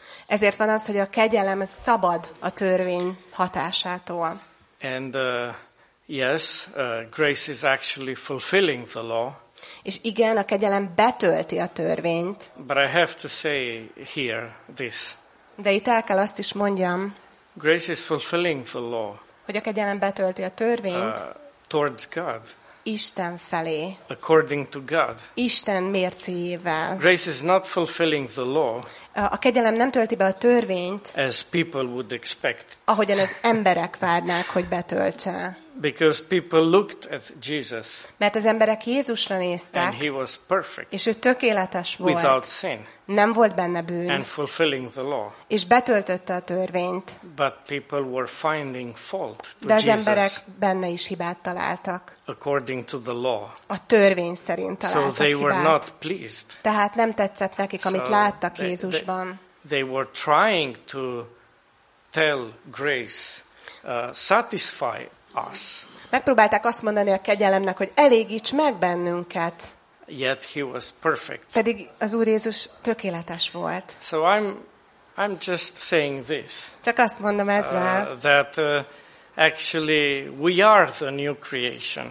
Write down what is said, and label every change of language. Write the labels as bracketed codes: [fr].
[hu] Ezért van az, hogy a kegyelem szabad a törvény hatásától. [en] And yes, grace is actually fulfilling the law. [hu] És igen, a kegyelem betölti a törvényt. [en] But I have to say here this. [hu] De itt el kell azt is mondjam. [en] Grace is fulfilling the law. [hu] Hogy a kegyelem betölti a törvényt. [en] Towards God. [hu] Isten felé. [en] According to God. [hu] Isten mércéjével. [en] Grace is not fulfilling the law. [hu] A kegyelem nem tölti be a törvényt. [en] As people would expect. [hu] Ahogyan az emberek várnák, hogy betöltse. [en] Because people looked at Jesus. [hu] Mert az emberek Jézusra néztek. [en] And he was perfect. [hu] És ő tökéletes volt. [en] Without sin. [hu] Nem volt benne bűn. [en] And fulfilling the law. [hu] És betöltötte a törvényt. [en] But people were finding fault to [hu] De az [en] Jesus [hu] emberek benne is hibát találtak. [en] According to the law. [hu] A törvény szerint találtak [en] so they [hu] hibát. [en] Were not pleased. [hu] Tehát nem tetszett nekik, amit so láttak Jézusban. [en] They were trying to tell grace, satisfy us. [hu] Megpróbálták azt mondani a kegyelemnek, hogy elégíts meg bennünket. [en] yet he was perfect. [hu] Pedig az Úr Jézus tökéletes volt. [en] So I'm just saying this. [hu] Csak azt mondom ezzel. [en] Actually, we are the new creation.